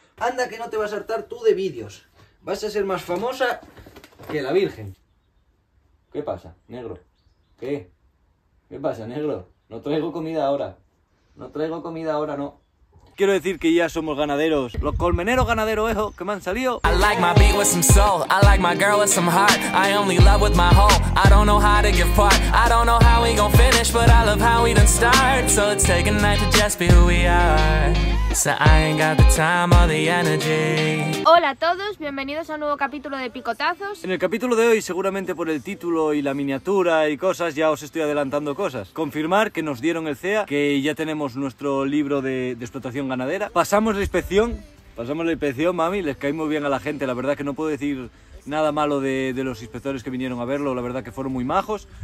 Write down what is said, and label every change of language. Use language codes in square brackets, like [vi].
[es] Anda que no te vas a hartar tú de vídeos. Vas a ser más famosa que la Virgen. ¿Qué pasa, negro? ¿Qué? ¿Qué pasa, negro? No traigo comida ahora. No traigo comida ahora, no. Quiero decir que ya somos ganaderos. Los colmeneros ganaderos, ejo, que me han salido. [en] I like my beat with some soul. I like my girl with some heart. I only love with my home. I don't know how to give part. I don't know how we gon' finish, but I love how we done start. So it's taking night to just be who we are. So I ain't got the time or the energy. [es] Hola a todos, bienvenidos a un nuevo capítulo de Picotazos. En el capítulo de hoy, seguramente por el título y la miniatura y cosas, ya os estoy adelantando cosas. Confirmar que nos dieron el CEA, que ya tenemos nuestro libro de explotación ganadera. Pasamos la inspección, mami, les caí muy bien a la gente. La verdad que no puedo decir nada malo de los inspectores que vinieron a verlo. La verdad que fueron muy majos.